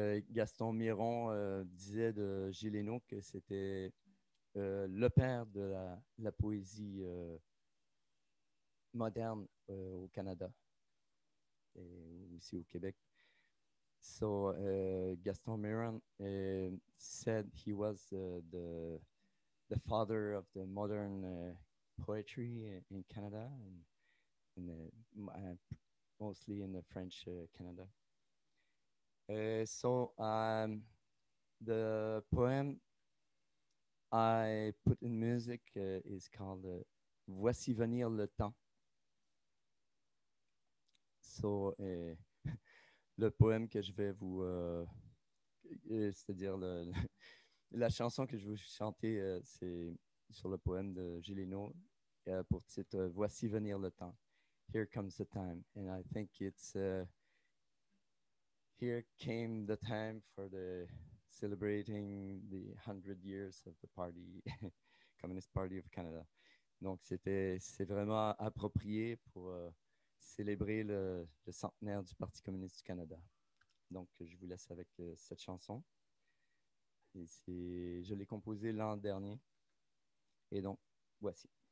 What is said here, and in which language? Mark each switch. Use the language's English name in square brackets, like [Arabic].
[French] Gaston Miron disait de Gillenot que c'était le père de la poésie moderne au Canada et aussi au Québec. [English] So Gaston Miron said he was the father of the modern poetry in Canada and mostly in the French Canada. So the poem I put in music is called Voici venir le temps. [French] So le poème que je vais vous, c'est-à-dire la chanson que je vais vous chanter, c'est sur le poème de Gillenot pour titre Voici venir le temps. [English] Here comes the time. And I think it's here came the time for the celebrating the 100 years of the party, Communist Party of Canada. [French] Donc c'est vraiment approprié pour célébrer le centenaire du Parti communiste du Canada. Donc je vous laisse avec cette chanson. Et je l'ai composée l'an dernier. Et donc voici.